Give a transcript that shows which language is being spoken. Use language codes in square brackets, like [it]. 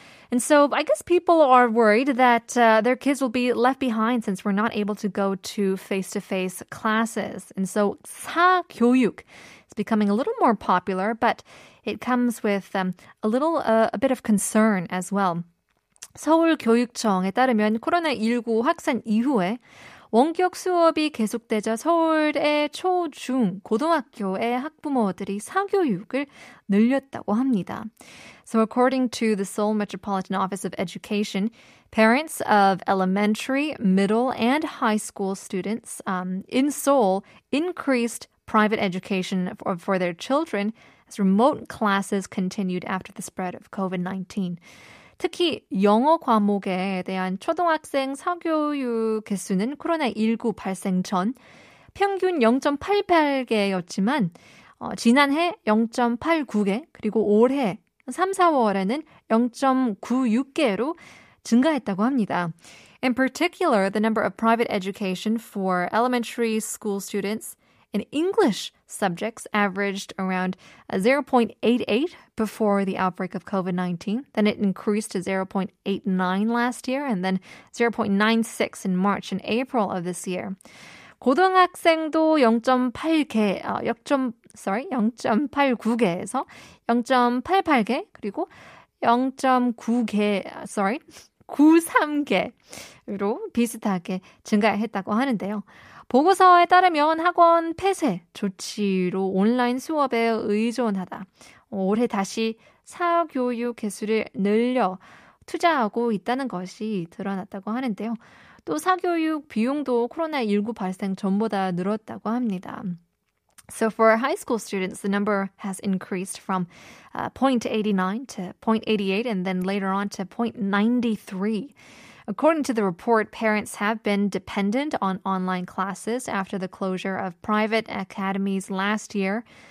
[en] And so I guess people are worried that their kids will be left behind since we're not able to go to face-to-face classes. And so 사교육 is becoming a little more popular, but it comes with a bit of concern as well. [ko] 서울교육청에 따르면 코로나19 확산 이후에 원격 수업이 계속되자 서울의 초, 중, 고등학교의 학부모들이 사교육을 늘렸다고 합니다. [en] So according to the Seoul Metropolitan Office of Education, parents of elementary, middle, and high school students in Seoul increased private education for their children as remote classes continued after the spread of COVID-19. [ko] 특히 영어 과목에 대한 초등학생 사교육 개수는 코로나19 발생 전 평균 0.88개였지만 지난해 0.89개 그리고 올해 3, 4월에는 0.96개로 증가했다고 합니다. [en] In particular, the number of private education for elementary school students in English subjects averaged around 0.88 before the outbreak of COVID-19. Then it increased to 0.89 last year and then 0.96 in March and April of this year. [ko] 고등학생도 0.8개, 0.89개에서 0.88개, 그리고 0.93개로 비슷하게 증가했다고 하는데요. 보고서에 따르면 학원 폐쇄 조치로 온라인 수업에 의존하다. 올해 다시 사교육 개수를 늘려 투자하고 있다는 것이 드러났다고 하는데요. 또 사교육 비용도 코로나19 발생 전보다 늘었다고 합니다. [en] So for high school students, the number has increased from 0.89 to 0.88 and then later on to 0.93. According to the report, parents have been dependent on online classes after the closure of private academies last year.